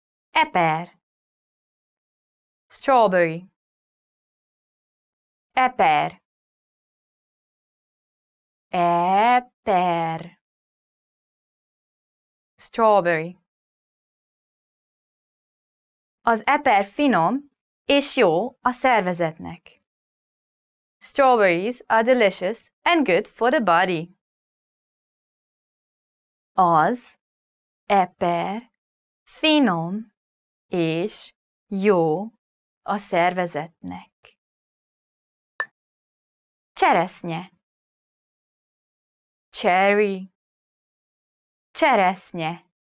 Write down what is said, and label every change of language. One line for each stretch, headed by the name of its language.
Hungarian: Eper. Strawberry. Eper. Eper.
English: Strawberry.
Hungarian: Az eper finom és jó a szervezetnek.
English: Strawberries are delicious and good for the body.
Hungarian: Az eper finom és jó a szervezetnek. Cseresznye. Cherry. Cseresznye.